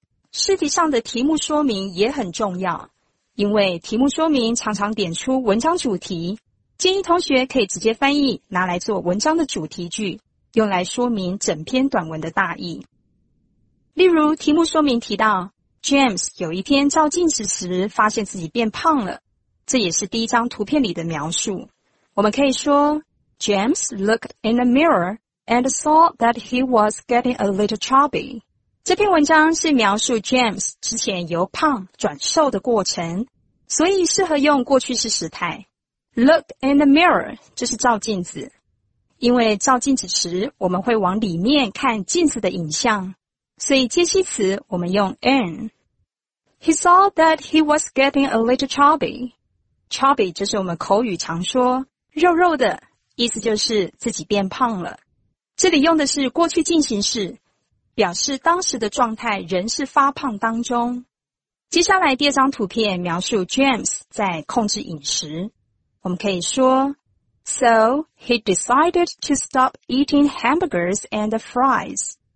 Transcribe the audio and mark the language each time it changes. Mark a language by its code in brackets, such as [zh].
[zh] 试题上的题目说明也很重要，因为题目说明常常点出文章主题，建议同学可以直接翻译拿来做文章的主题句，用来说明整篇短文的大意。例如题目说明提到 James 有一天照镜子时发现自己变胖了，这也是第一张图片里的描述。我们可以说 [en] James looked in the mirror and saw that he was getting a little chubby。 [zh] 这篇文章是描述 James 之前由胖转瘦的过程，所以适合用过去式时态。 Look in the mirror 就是照镜子，因为照镜子时我们会往里面看镜子的影像，所以介系词我们用 in。 [en] He saw that he was getting a little chubby. [zh] Chubby 就是我们口语常说肉肉的，意思就是自己变胖了。这里用的是过去进行式，表示当时的状态仍是发胖当中。接下来第二张图片描述 James 在控制饮食，我们可以说 [en] So he decided to stop eating hamburgers and fries.